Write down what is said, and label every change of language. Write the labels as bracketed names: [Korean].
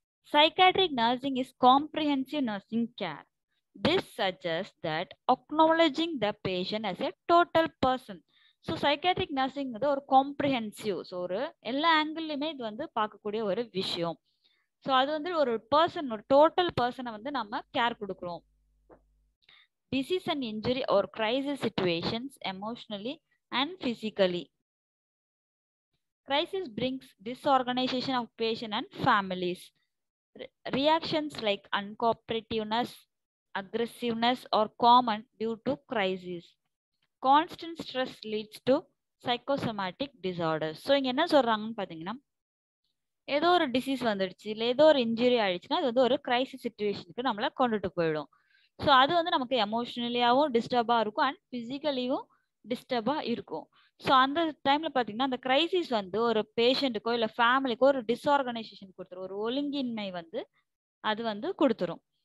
[English] Psychiatric nursing is comprehensive nursing care. This suggests that acknowledging the patient as a total person. So psychiatric nursing is a comprehensive. [Tamil] So ஒரு எல்லா ஆங்கிள்லையுமே இது வந்து பார்க்கக்கூடிய ஒரு விஷயம். So அது வந்து ஒரு பர்சன், ஒரு டோட்டல் பர்சனை வந்து நம்ம கேர் கொடுக்குறோம். [English] Disease and injury ஒரு crisis situations emotionally and physically. Crisis brings disorganisation of patient and families. Reactions like uncooperativeness, aggressiveness are common due to crisis. Constant stress leads to psychosomatic disorders. [Tamil] So, இங்க என்ன சொல்றாங்கன்னு பாத்தீங்கன்னா ஏதோ ஒரு disease வந்துடுச்சு இல்லை ஏதோ ஒரு இன்ஜுரி ஆயிடுச்சுன்னா அது வந்து ஒரு கிரைசிஸ் சிச்சுவேஷனுக்கு நம்மள கொண்டுட்டு போயிடும். ஸோ அது வந்து நமக்கு எமோஷனலியாவும் டிஸ்டர்பா இருக்கும் அண்ட் பிசிக்கலியும் டிஸ்டர்பா இருக்கும். ஸோ அந்த டைமில் பார்த்தீங்கன்னா அந்த க்ரைசிஸ் வந்து ஒரு பேஷண்ட்டுக்கோ இல்லை ஃபேமிலிக்கோ ஒரு டிஸ்ஆர்கனைசேஷன் கொடுத்துரும், ஒரு ஒழுங்கின்மை வந்து அது வந்து கொடுத்துரும்.